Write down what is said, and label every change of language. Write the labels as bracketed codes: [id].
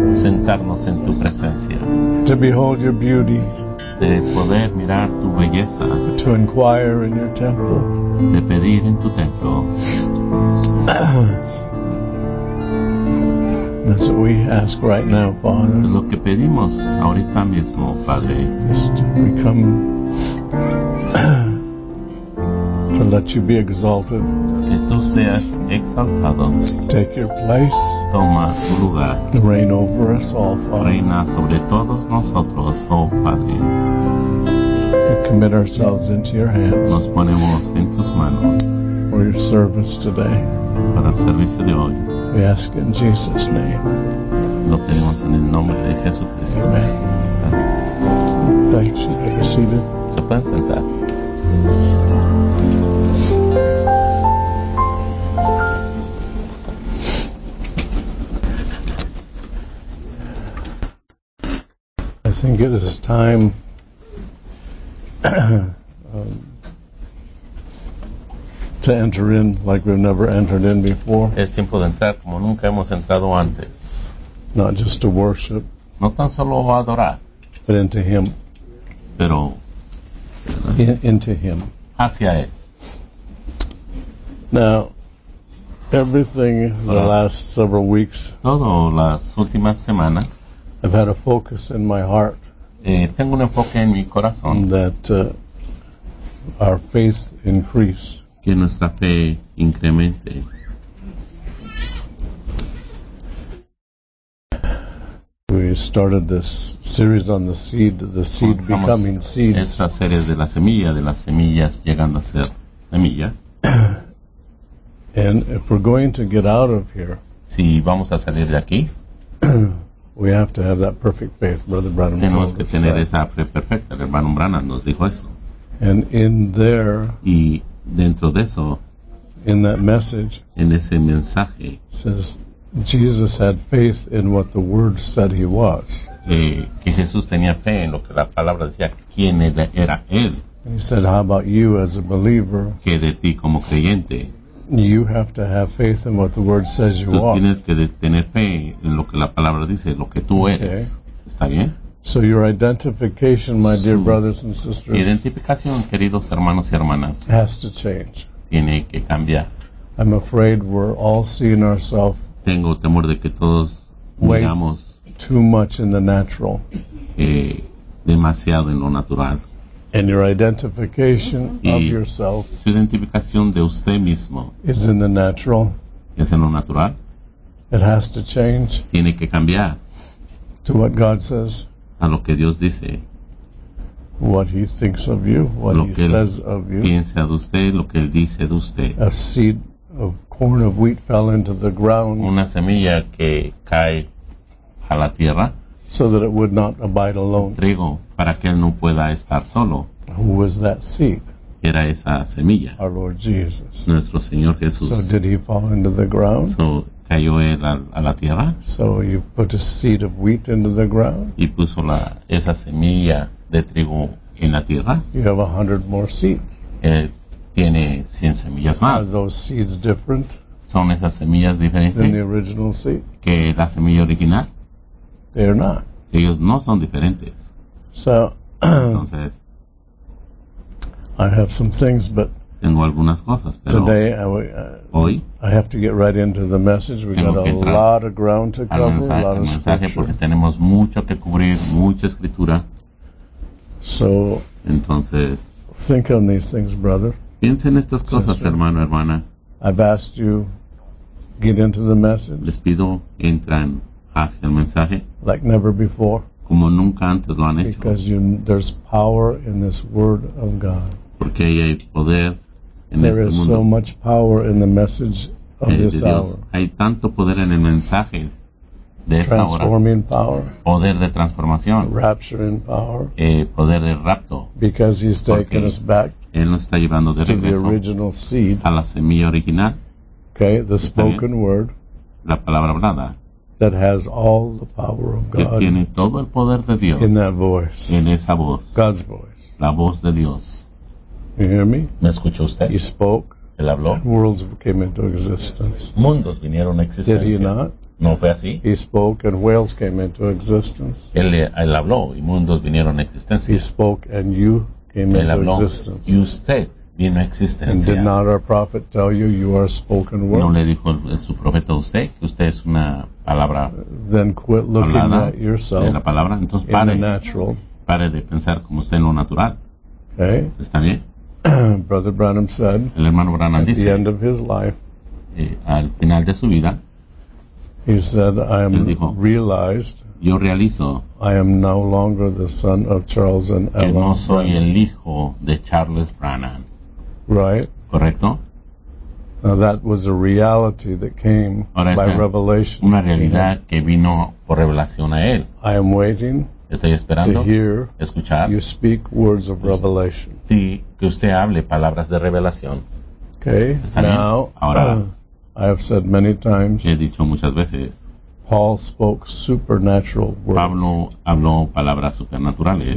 [es] Sentarnos en tu presencia. [en] To behold your beauty. [es] De poder mirar tu belleza. [en] To inquire in your temple. [es] De pedir en tu templo. [en] That's what we ask right now, Father. [es] Lo que pedimos ahorita mismo, Padre. [en] Is to become to let you be exalted. [es] Que tú seas exaltado. [en] Take your place. [es] Toma tu lugar. [en] Reign over us all, Father. [es] Reina sobre todos nosotros, oh Padre. [en] We commit ourselves into your hands. [es] Nos ponemos en tus manos. [en] For your service today. [es] Para el servicio de hoy. [en] We ask in Jesus' name. [es] Lo pedimos en el nombre de Jesucristo. [en] Amen. Thanks. You may be seated. [es] Se pueden sentar. [en] I Give us time to enter in like we've never entered in before. [es] Es tiempo de entrar como nunca hemos entrado antes. [en] Not just to worship. [es] No tan solo adorar. [en] But into Him. [es] Pero [en] into Him. [es] Hacia Él. [en] Now, everything the last several weeks. [es] Todo las últimas semanas. [en] I've had a focus in my heart. [es] Tengo un enfoque en mi corazón. [en] That our faith increase. [es] Que nuestra fe incremente. [en] We started this series on the seed [es] Comenzamos [en] becoming seed. [es] Esta serie de la semilla, de las semillas llegando a ser semilla. [en] And if we're going to get out of here. [es] Si vamos a salir de aquí. [en] We have to have that perfect faith, Brother Branham. [es] Tenemos que tener esa fe perfecta. El hermano Branham nos dijo eso. [en] And in there, [es] y dentro de eso, [en] in that message, [es] en ese mensaje, [en] says Jesus had faith in what the Word said He was. [es] Que Jesús tenía fe en lo que la palabra decía quién era él. [en] And he said, "How about you, as a believer?" [es] Que de ti como creyente. [en] You have to have faith in what the Word says you are. [es] Tú tienes que tener fe en lo que la palabra dice, lo que tú eres. Okay. ¿Está bien? [en] So your identification, my dear brothers and sisters, [es] identificación, queridos hermanos y hermanas, [en] has to change. [es] Tiene que cambiar. [en] I'm afraid we're all seeing ourselves. [es] Tengo temor de que todos miramos [en] too much in the natural. [es] Demasiado en lo natural. [en] And your identification of yourself, [es] su identificación de usted mismo, [en] is in the natural. [es] Es en lo natural. [en] It has to change. [es] Tiene que cambiar. [en] To what God says. [es] A lo que Dios dice. [en] What He thinks of you. What [es] lo [en] He says of you. [es] Piensa de usted, lo que él dice de usted. [en] A seed of corn of wheat fell into the ground. [es] Una semilla que cae a la tierra. [en] So that it would not abide alone. [es] Trigo, para que él no pueda estar solo. [en] Who was that seed? [es] Era esa semilla. [en] Our Lord Jesus. [es] Nuestro Señor Jesús. [en] So did he fall into the ground? [es] So cayó él a la tierra. [en] So you put a seed of wheat into the ground. [es] Y puso esa semilla de trigo en la tierra. [en] You have 100 more seeds. [es] Tiene 100 semillas más. [en] Are those seeds different? [es] Son esas semillas diferentes. [en] Than the original seed. [es] Que la semilla original. [en] They're not. [es] Ellos no son diferentes. [en] So, [es] entonces, [en] I have some things, but [es] tengo algunas cosas, pero [en] today [es] hoy [en] I have to get right into the message. We got a lot of ground to cover, [es] mensaje, [en] a lot of scripture. [es] Porque tenemos mucho que cubrir, mucha escritura. [en] So, [es] entonces, [en] think on these things, brother. [es] Piensa en estas cosas, [en] sister, [es] hermano, hermana. [en] I've asked you get into the message. [es] Les pido entran. Hacia el mensaje, [en] like never before, [es] como nunca antes lo han hecho. [en] Because there's power in this word of God. [es] Porque hay poder en [en] there [es] este [en] is [es] mundo. [en] So much power in the message of this hour. [es] Hay tanto poder en el mensaje de esta hora. [en] Transforming power. [es] Poder de transformación. [en] Rapturing power. [es] Poder de rapto. [en] Because he's taking us back. [es] Él nos está llevando de regreso. [en] To the original seed. [es] A la semilla original. [en] Okay, the spoken word. [es] La palabra hablada. [en] That has all the power of God. [es] Que tiene todo el poder de Dios. [en] In that voice. [es] En esa voz. [en] God's voice. [es] La voz de Dios. [en] You hear me? [es] ¿Me escuchó usted? [en] He spoke. [es] Él habló. [en] Worlds came into existence. [es] Mundos vinieron a existencia. [en] Did he not? [es] ¿No fue así? [en] He spoke and whales came into existence. [es] Él habló y mundos vinieron a existencia. [en] He spoke and you came [es] él [en] into [es] habló, [en] existence. [es] Y usted. Vino a existencia. [en] And did not our prophet tell you you are a spoken word? [es] ¿No le dijo su profeta a usted que usted es una palabra? [en] Then quit looking [es] hablada, [en] at yourself [es] en la palabra. Entonces, [en] in the natural. [es] Pare de pensar como usted en lo natural. [en] Okay. [es] ¿Está bien? [en] Brother Branham said, [es] el hermano Branham [en] at [es] dice, [en] the end of his life, [es] al final de su vida, [en] he said, I am [es] dijo, [en] realized, [es] yo realizo, [en] I am no longer the son of Charles and Ellen [es] Branham. No soy el hijo de Charles Branham. [en] Right. [es] Correcto. [en] Now that was a reality that came [es] ahora, [en] by revelation. [es] Una realidad que vino por revelación a él. [en] I am waiting. [es] Estoy esperando. [en] To hear. [es] Escuchar. [en] You speak words of revelation. [es] Sí, que usted hable palabras de revelación. [en] Okay. [es] ¿Está [en] now. [es] Bien? Ahora. [en] I have said many times. [es] He dicho muchas veces. [en] Paul spoke supernatural words. [es] Pablo habló palabras supernaturales.